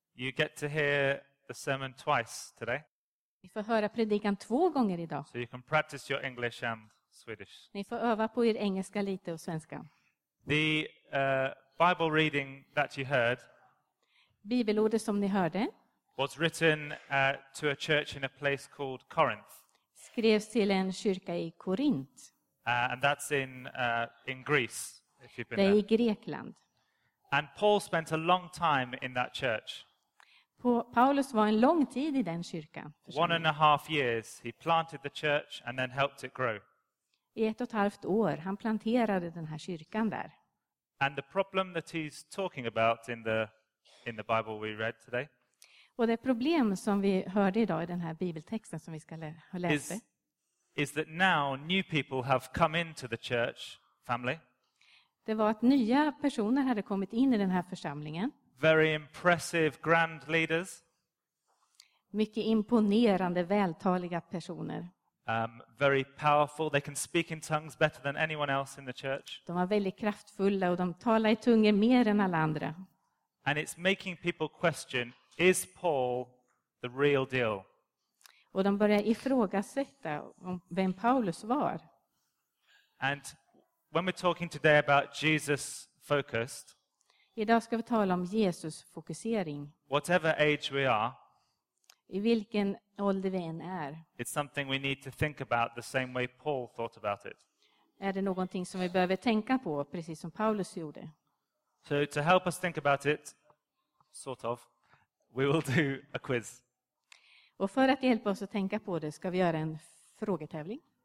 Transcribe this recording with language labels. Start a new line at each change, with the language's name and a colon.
English: You get to hear the sermon twice today.
Swedish: Ni får höra predikan två gånger idag.
English: So you can practice your English and Swedish.
Swedish: Ni får öva på er engelska lite och svenska.
English: The Bible reading that you heard.
Swedish: Bibelordet som ni hörde.
English: Was written to a church in a place called Corinth.
Swedish: Skrevs till en kyrka i Korint.
English: And that's in Greece, if you've been
Swedish: Det är i Grekland.
English: And Paul spent a long time in that church.
Swedish: Paulus var en lång tid i den kyrkan.
English: 1.5 years he planted the church and then helped it grow.
Swedish: I 1.5 år han planterade den här kyrkan där.
English: And the problem that he's talking about in the Bible we read today.
Swedish: Och det problem som vi hörde idag i den här bibeltexten som vi ska läsa.
English: Is that now new people have come into the church family?
Swedish: Det var att nya personer hade kommit in i den här församlingen.
English: Very impressive grand leaders.
Swedish: Mycket imponerande vältaliga personer.
English: Very powerful. They can speak in tongues better than anyone else in the church.
Swedish: De var väldigt kraftfulla och de talar i tungor mer än alla andra.
English: And it's making people question, is Paul the real deal?
Swedish: Och de börjar ifrågasätta om vem Paulus var.
English: And when we're talking today about Jesus focused.
Swedish: Idag ska vi tala om Jesus fokusering.
English: Whatever age we are.
Swedish: I vilken ålder vi än är.
English: It's something we need to think about the same way Paul thought about it.
Swedish: Är det någonting som vi behöver tänka på precis som Paulus gjorde?
English: So to help us think about it sort of we will do a quiz.
Swedish: Och för att hjälpa oss att tänka på det ska vi göra en frågetävling.